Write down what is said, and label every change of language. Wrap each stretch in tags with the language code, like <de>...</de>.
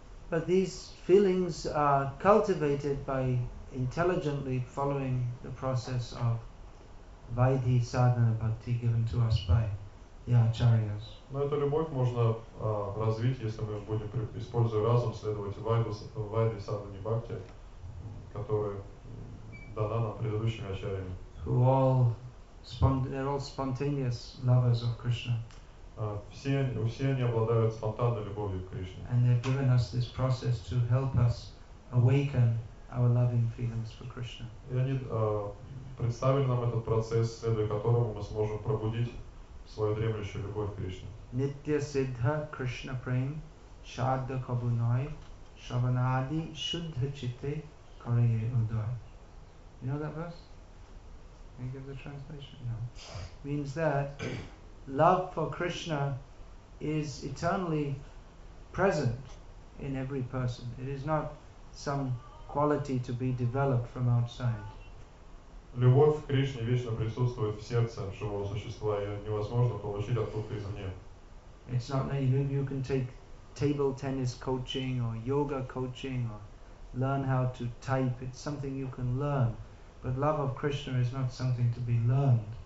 <en>But these feelings are cultivated by intelligently following the process of Vaidhi Sadhana Bhakti given to us by the Acharyas.</en> <ru>Но эту любовь можно развить, если мы будем, используя разум, следовать Вайдхи Садхане Бхакти, которая дана нам предыдущими Ачарьями.</ru> <en>They're all spontaneous lovers of Krishna.</en> <ru>Все они обладают спонтанной любовью к Кришне.</ru> <en>And they've given us this process to help us awaken our loving feelings for Krishna.</en> <ru>И они представили нам этот процесс, следуя которому мы сможем пробудить свою дремлющую любовь к Кришне.</ru> <sa>Nitya Siddha Krishna Prem Shadda Kabunai Shavanadi Shuddha Chitte Kareye Udvai.</sa> <en>You know that verse? Can you give the translation? No. Means that love for Krishna is eternally present in every person. It is not some quality to be developed from outside.</en> <ru>Любовь к Кришне вечно присутствует в сердце живого существа, ее невозможно получить откуда-то извне.</ru> <en>It's not that you can take table tennis coaching or yoga coaching or learn how to type. It's something you can learn. But love of Krishna is not something to be learned.</en>